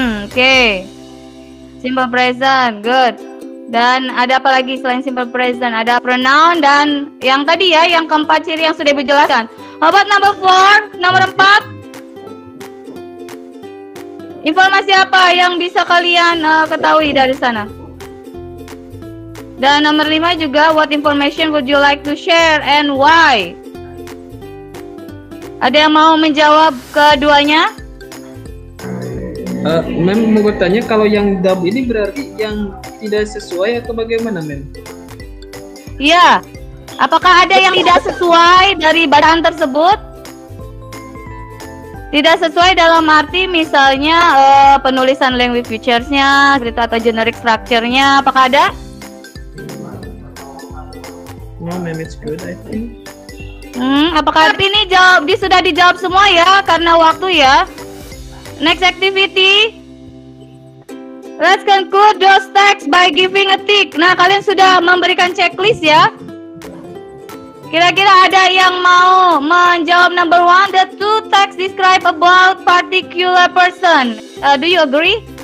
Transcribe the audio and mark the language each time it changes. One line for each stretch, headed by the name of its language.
English: Okay. Simple present, good.
Indonesian: Dan ada apa lagi selain simple present? Ada pronoun dan yang tadi ya, yang keempat ciri yang sudah dijelaskan.
English: How about number four?
Indonesian: Nomor empat? Informasi apa yang bisa kalian ketahui dari sana? Dan nomor 5 juga,
English: what information would you like to share and why?
Indonesian: Ada yang mau menjawab keduanya? Mem mau bertanya, kalau yang dub ini berarti yang tidak sesuai atau bagaimana, Mem? Iya. Apakah ada yang tidak sesuai dari bahan tersebut? Tidak sesuai dalam arti misalnya penulisan language features-nya, gitu, atau generic structure-nya, apakah ada?
English: No, ma'am, it's good, I think.
Indonesian: Apakah arti ini jawab, sudah dijawab semua ya, karena waktu ya.
English: Next activity. Let's conclude those texts by giving a tick.
Indonesian: Nah, kalian sudah memberikan checklist ya. Kira-kira ada yang mau menjawab
English: number one, the two texts describe about particular person. Do you agree?